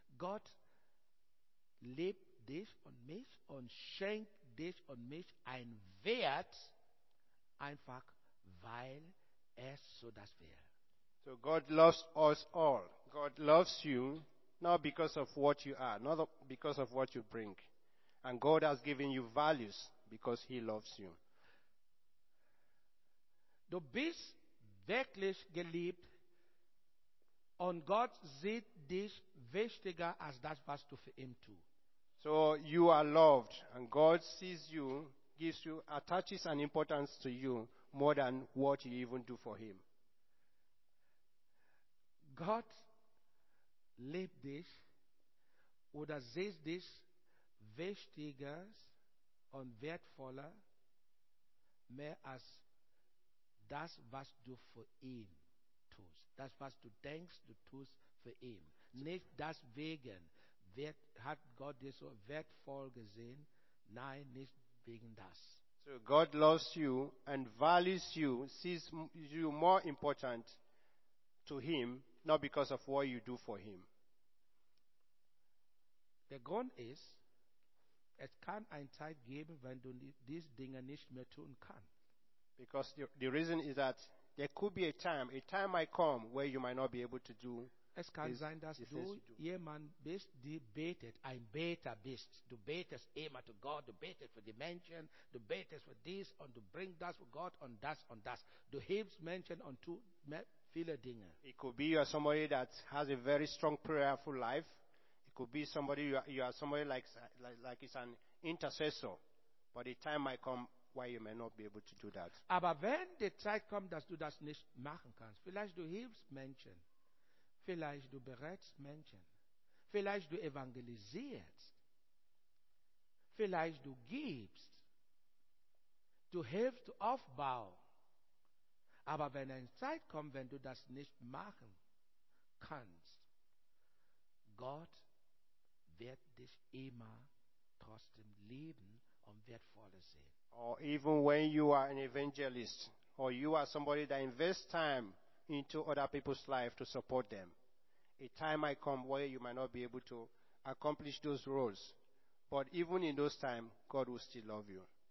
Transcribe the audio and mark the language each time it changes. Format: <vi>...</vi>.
<de>Gott lieb dich und mich und schenk dich und mich ein Wert, einfach weil es so das wäre.</de> <en>So God loves us all. God loves you, not because of what you are, not because of what you bring. And God has given you values because he loves you.</en> <de>Du bist wirklich geliebt und Gott sieht dich wichtiger als das, was du für ihn tust.</de> <en>So you are loved, and God sees you, gives you, attaches an importance to you more than what you even do for him.</en> <de>God liebt dich oder sees dich wichtiger und wertvoller mehr als das, was du für ihn tust. Das, was du denkst, du tust für ihn. Nicht das wegen. Hat Gott dich so wertvoll gesehen? Nein, nicht wegen das.</de> <en>So God loves you and values you, sees you more important to him, not because of what you do for him.</en> <de>Der Grund ist, es kann ein Zeit geben, wenn du diese Dinge nicht mehr tun kannst.</de> <en>Because the reason is that there could be a time might come where you might not be able to do.</en> <de>Es kann sein, dass du jemand bist, der betet, ein Beter bist. Du betest immer zu Gott, du betest für die Menschen, du betest für dies und du bringst das für Gott und das und das. Du hilfst Menschen und tust viele Dinge.</de> <en>It could be you are somebody that has a very strong prayerful life. It could be somebody, you are somebody like it's an intercessor. But the time might come why you may not be able to do that.</en> <de>Aber wenn die Zeit kommt, dass du das nicht machen kannst, vielleicht du hilfst Menschen. Vielleicht du berätst Menschen. Vielleicht du evangelisierst. Vielleicht du gibst. Du hilfst aufbauen. Aber wenn eine Zeit kommt, wenn du das nicht machen kannst, Gott wird dich immer trotzdem lieben und wertvoller sehen.</de> <en>Or even when you are an evangelist, or you are somebody that invests time into other people's life to support them. A time might come where you might not be able to accomplish those roles. But even in those times, God will still love you.</en>